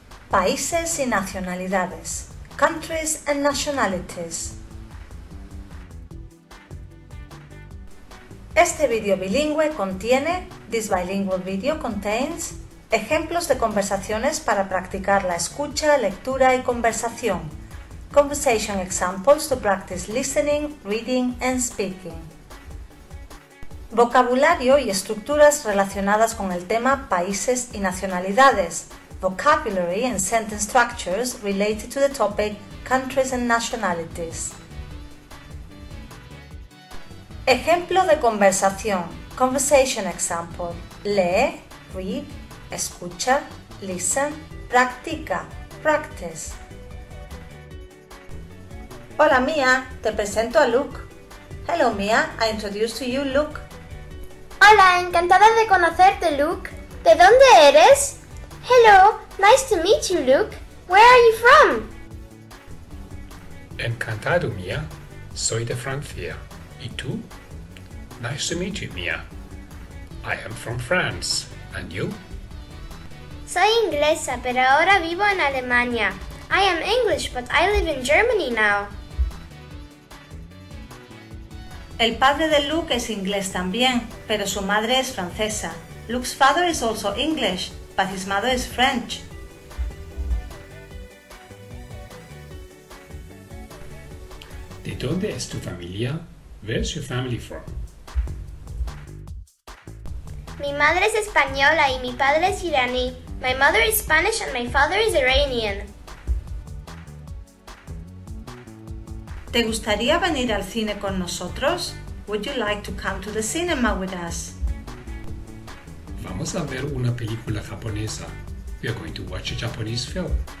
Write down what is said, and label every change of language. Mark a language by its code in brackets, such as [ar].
[es] Países y nacionalidades. [en] Countries and nationalities. [es] Este video bilingüe contiene, [en] this bilingual video contains, [es] ejemplos de conversaciones para practicar la escucha, lectura y conversación. [en] Conversation examples to practice listening, reading and speaking. [es] Vocabulario y estructuras relacionadas con el tema países y nacionalidades. [en] Vocabulary and sentence structures related to the topic countries and nationalities. [es] Ejemplo de conversación. [en] Conversation example. Lee, read, escucha, listen, practica, practice. [es] Hola Mia, te presento a Luke. [en] Hello Mia, I introduce to you Luke. [es] Hola, encantada de conocerte Luke. ¿De dónde eres? [en] Hello, nice to meet you Luke. Where are you from? [es] Encantado Mia, soy de Francia. ¿Y tú? [en] Nice to meet you, Mia. I am from France. And you? [es] Soy inglesa, pero ahora vivo en Alemania. [en] I am English, but I live in Germany now. [es] El padre de Luke es inglés también, pero su madre es francesa. [en] Luke's father is also English, but his mother is French. [es] ¿De dónde es tu familia? [en] Where's your family from? [es] Mi madre es española y mi padre es iraní. [en] My mother is Spanish and my father is Iranian. [es] ¿Te gustaría venir al cine con nosotros? [en] Would you like to come to the cinema with us? [es] Vamos a ver una película japonesa. [en] We are going to watch a Japanese film.